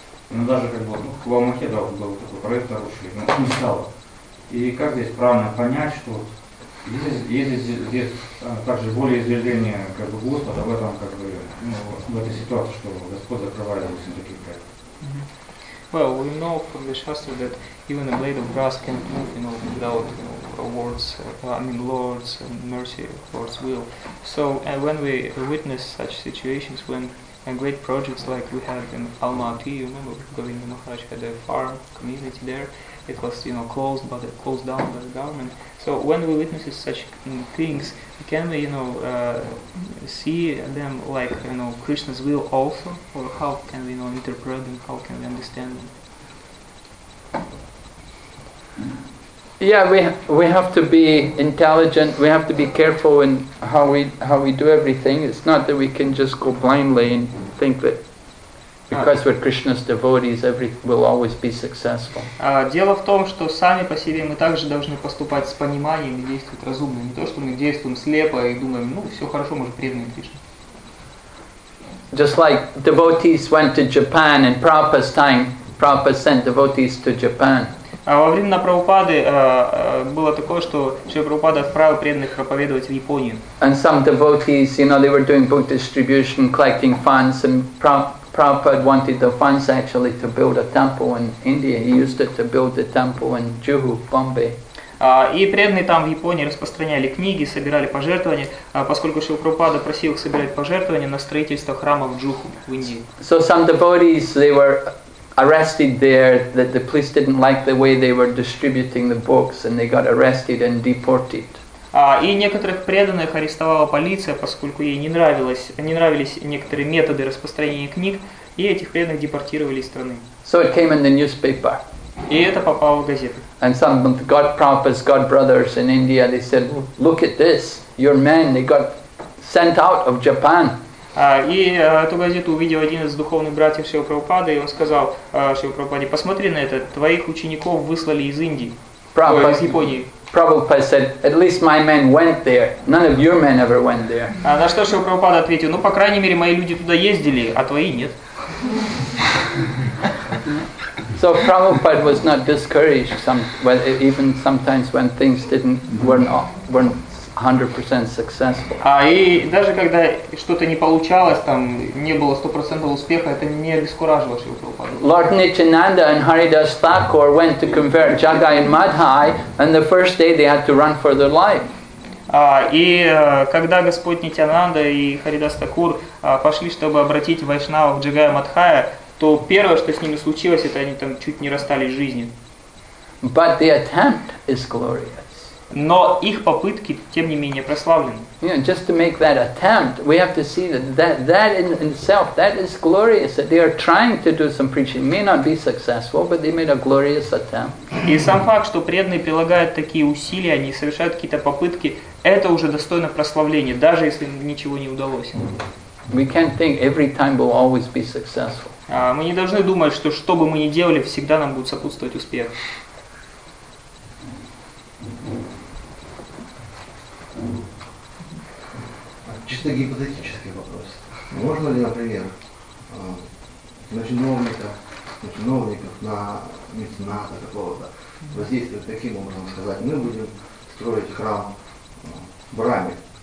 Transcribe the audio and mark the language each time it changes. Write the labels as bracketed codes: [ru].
[ru] Но даже как бы в Алмахе был такой проект хороший, но не стало. И как здесь правильно понять, что здесь также более изъявление как бы Господа в этом как бы в этой ситуации, что Господь закрывает, допустим, такие проекты. [en] Well, we know from the Shastra that even a blade of grass can't move, you know, without, you know, Lord's mercy, Lord's will. So, and when we witness such situations, when great projects like we had in Almaty, you remember, Govinda Maharaj had a farm community there, it was, you know, closed down by the government. So, when we witness such things, can we, you know, see them like, you know, Krishna's will also? Or how can we, you know, interpret them, how can we understand them? Yeah, we have to be intelligent. We have to be careful in how we do everything. It's not that we can just go blindly and think that because we're Krishna's devotees, everything will always be successful. [ru] Дело в том, что сами по себе мы также должны поступать с пониманием и действовать разумно, не то, что мы действуем слепо и думаем, ну все хорошо, мы же преданные Кришне. [en] Just like devotees went to Japan in Prabhupada's time, Prabhupada sent devotees to Japan. [ru] Во время Прабхупады было такое, что Шрила Прабхупада отправил преданных проповедовать в Японию. [en] And some devotees, you know, they were doing book distribution, collecting funds, and Prabhupada wanted the funds actually to build a temple in India. He used it to build the temple in Juhu, Bombay. [ru] И преданные там в Японии распространяли книги, собирали пожертвования, поскольку Шрила Прабхупада просил их собирать пожертвования на строительство храма в Джуху, в Индии. [en] So some devotees, they were arrested there, that the police didn't like the way they were distributing the books, and they got arrested and deported. [ru] И некоторых преданных арестовала полиция, поскольку ей не нравились некоторые методы распространения книг, и этих преданных депортировали из страны. [en] So it came in the newspaper. [ru] И это попало в газеты. [en] And some of the God Prophets, God Brothers in India, they said, look at this, your men, they got sent out of Japan. [ru] И эту газету увидел один из духовных братьев Шрилы Прабхупады, и он сказал Шриле Прабхупаде, посмотри на это, твоих учеников выслали из Индии, из Японии. [en] Prabhupada said, at least my men went there. None of your men ever went there. [ru] На что Шрила Прабхупада ответил, ну, по крайней мере, мои люди туда ездили, а твои нет. [en] So Prabhupada was not discouraged, even sometimes when things weren't 100% successful. [ru] И даже когда что-то не получалось, там не было 100% успеха, это не обескураживало Шрилу Прабхупаду. [en] Lord Nityananda and Haridas Thakur went to convert Jagai and Madhai, and the first day they had to run for their life. [ru] Когда Господь Нитянанда и Харидас Такур пошли, чтобы обратить вайшнавов Джагая Мадхая, то первое, что с ними случилось, это они там чуть не расстались с жизнью. [en] But the attempt is glorious. [ru] Но их попытки, тем не менее, прославлены. [en] Yeah, just to make that attempt, we have to see that in itself, that is glorious, that they are trying to do some preaching. It may not be successful, but they made a glorious attempt. [ru] И сам факт, что преданные прилагают такие усилия, они совершают какие-то попытки, это уже достойно прославления, даже если ничего не удалось. [en] We can't think every time will always be successful. [ru] Мы не должны думать, что бы мы ни делали, всегда нам будет сопутствовать успех. Чисто гипотетический вопрос. Можно ли, например, на чиновников, на мецената какого-то воздействовать таким образом, сказать, мы будем строить храм Браме.